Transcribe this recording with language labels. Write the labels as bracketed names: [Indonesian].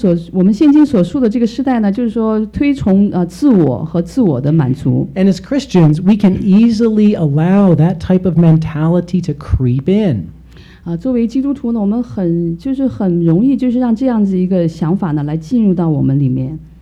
[Chinese] 我们现今所述的这个时代呢，就是说推崇自我和自我的满足。 [English] And as Christians, we can easily allow that type of mentality to creep in. [Chinese] 作为基督徒呢，我们很容易就是让这样子一个想法呢来进入到我们里面。